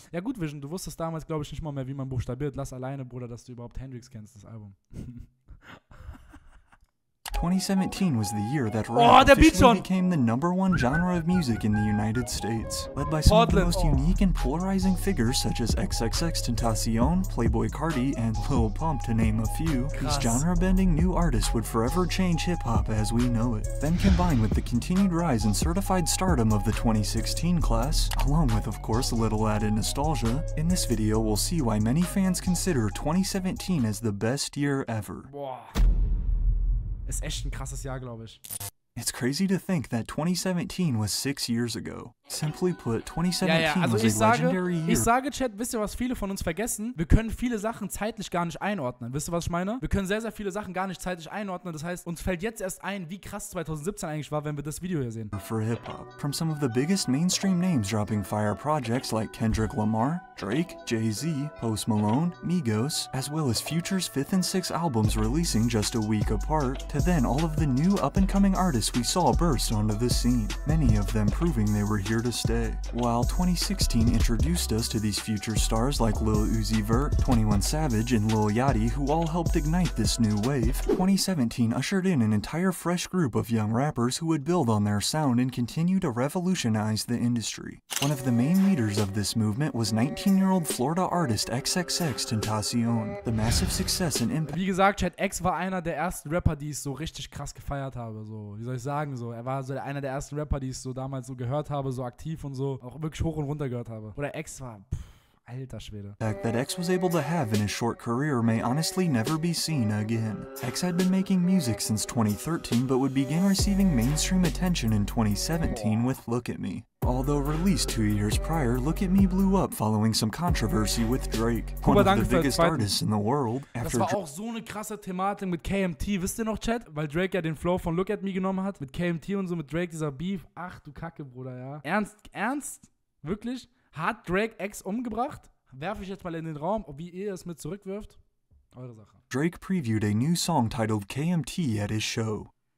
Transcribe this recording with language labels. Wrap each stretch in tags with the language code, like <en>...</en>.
<de>Ja gut, Vision, du wusstest damals, glaube ich, nicht mal mehr, wie man buchstabiert. Lass alleine, Bruder, dass du überhaupt Hendrix kennst, das Album.</de> <en>2017 was the year that rap officially became the number one genre of music in the United States. Led by some of the most unique and polarizing figures such as XXXTentacion, Playboi Carti, and Lil Pump to name a few, these genre-bending new artists would forever change hip-hop as we know it. Then combined with the continued rise and certified stardom of the 2016 class, along with of course a little added nostalgia, in this video we'll see why many fans consider 2017 as the best year ever.</en> <de>Ist echt ein krasses Jahr, glaube ich.</de> <en>It's crazy to think that 2017 was 6 years ago. Simply put, 2017</en> <de>ja, ja. Also</de> <en>was a legendary year.</en> <de>Ich sage, Chat, wisst ihr, was viele von uns vergessen? Wir können viele Sachen zeitlich gar nicht einordnen. Wisst ihr, was ich meine? Wir können sehr, sehr viele Sachen gar nicht zeitlich einordnen. Das heißt, uns fällt jetzt erst ein, wie krass 2017 eigentlich war, wenn wir das Video hier sehen.</de> <en>For hip-hop. From some of the biggest mainstream names dropping fire projects like Kendrick Lamar, Drake, Jay-Z, Post Malone, Migos, as well as Future's 5th and 6th albums releasing just a week apart, to then all of the new up-and-coming artists we saw burst onto the scene, many of them proving they were here to stay. While 2016 introduced us to these future stars like Lil Uzi Vert, 21 Savage, and Lil Yachty, who all helped ignite this new wave, 2017 ushered in an entire fresh group of young rappers who would build on their sound and continue to revolutionize the industry. One of the main leaders of this movement was 19-year-old Florida artist XXXTentacion. The massive success and impact.</en> <de>Wie gesagt, Chat, X war einer der ersten Rapper, die ich so richtig krass gefeiert habe. So, wie soll ich sagen? So, er war so einer der ersten Rapper, die ich so damals so gehört habe, so aktiv und so, auch wirklich hoch und runter gehört habe. Oder X war. Pff. Alter Schwede.</de> <en>The fact that X was able to have in his short career may honestly never be seen again. X had been making music since 2013, but would begin receiving mainstream attention in 2017 with Look At Me. Although released 2 years prior, Look At Me blew up following some controversy with Drake, one of the biggest artists in the world.</en> <de>After das war auch so eine krasse Thematik mit KMT, wisst ihr noch, Chat? Weil Drake ja den Flow von Look At Me genommen hat, mit KMT und so, mit Drake, dieser Beef. Ach du Kacke, Bruder, ja. Ernst, ernst? Wirklich? Hat Drake X umgebracht? Werfe ich jetzt mal in den Raum, wie ihr es mit zurückwirft? Eure Sache.</de> <en>Drake previewed a new song titled KMT at his show.</en>